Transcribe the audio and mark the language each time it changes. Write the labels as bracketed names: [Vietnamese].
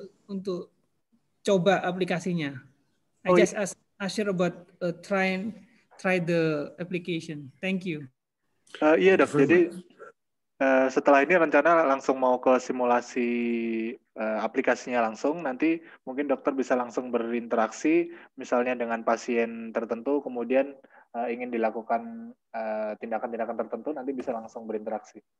[Indonesian] Untuk coba aplikasinya. [English] Asked Yasir about try the application. Thank you. [Indonesian] Iya dok, jadi setelah ini rencana langsung mau ke simulasi aplikasinya langsung, nanti mungkin dokter bisa langsung berinteraksi misalnya dengan pasien tertentu, kemudian ingin dilakukan tindakan-tindakan tertentu, nanti bisa langsung berinteraksi.